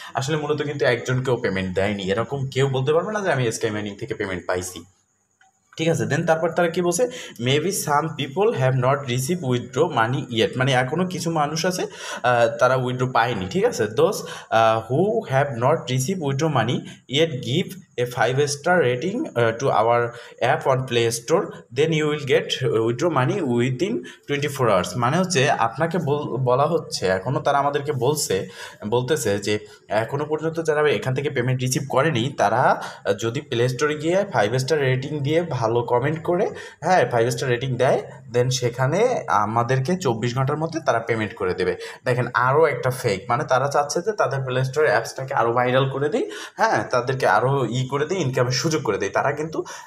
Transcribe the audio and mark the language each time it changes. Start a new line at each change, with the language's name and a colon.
Bangla: আসলে মূলত কিন্তু একজনকেও পেমেন্ট দেয়নি, এরকম কেউ বলতে পারবে না যে আমি স্কাই মাইনিং থেকে পেমেন্ট পাইছি, ঠিক আছে?
English: then
Bangla: তারপর তারা কী বলছে,
English: maybe some people have not receive withdraw money yet,
Bangla: মানে এখনও কিছু মানুষ আছে তারা উইথড্রো পায়নি, ঠিক আছে?
English: Those who have not receive withdraw money yet give a 5-star rating to our app or play store, then you will get withdraw money within 24 hours.
Bangla: মানে হচ্ছে আপনাকে বলা হচ্ছে এখনো তারা আমাদেরকে বলছে বলতেছে যে এখনো পর্যন্ত যারা এখান থেকে পেমেন্ট রিসিভ করেনি তারা যদি প্লে স্টোরে গিয়ে 5-star রেটিং দিয়ে ভালো কমেন্ট করে হ্যাঁ 5-star রেটিং দেয় দেন সেখানে আমাদেরকে 24 ঘন্টার মধ্যে তারা পেমেন্ট করে দেবে দেখেন আরো একটা ফেক মানে তারা চাচ্ছে যে তাদের প্লে স্টোরে অ্যাপসটাকে আরো ভাইরাল করে দেই হ্যাঁ তাদেরকে আরো ই করে দেই ইনকামের সুযোগ করে দেই তারা কিন্তু